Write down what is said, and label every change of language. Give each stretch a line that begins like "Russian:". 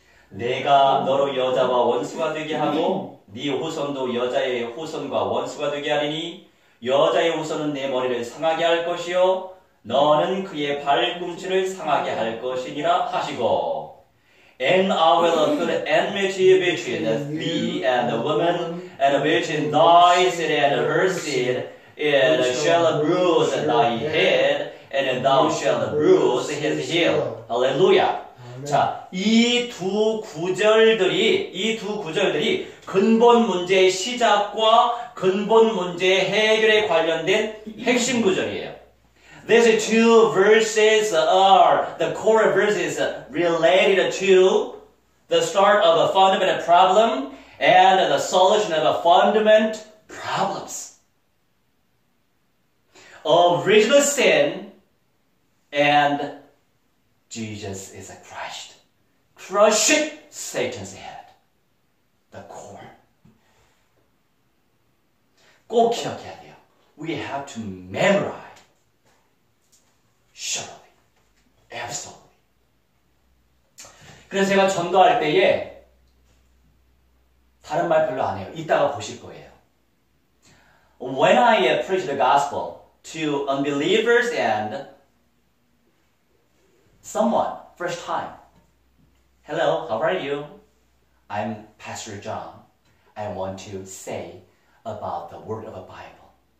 Korean: 내가 너로 여자와 원수가 되게 하고 네 후손도 여자의 후손과 원수가 되게 하리니 여자의 후손은 내 머리를 상하게 할 것이요 너는 그의 발꿈치를 상하게 할 것이니라 하시고
English: And I will put enmity between thee and the woman and between thy seed and her seed and shall bruise thy head and thou shalt bruise his heel.
Korean: Hallelujah. 자, 이 두 구절들이 근본 문제의 시작과 근본 문제의 해결에 관련된 핵심 구절이에요.
English: These two verses are the core verses related to the start of a fundamental problem and the solution of a fundamental problems. Original sin and Jesus is a Christ. Crush it, Satan's head. The core.
Korean: 꼭 기억해야 돼요.
English: We have to memorize. Surely. Absolutely.
Korean: 그래서 제가 전도할 때에 다른 말 별로 안 해요. 이따가 보실 거예요.
English: When I preach the gospel to unbelievers and someone, first time. Hello, how are you? I'm Pastor John. I want to say about the word of the Bible.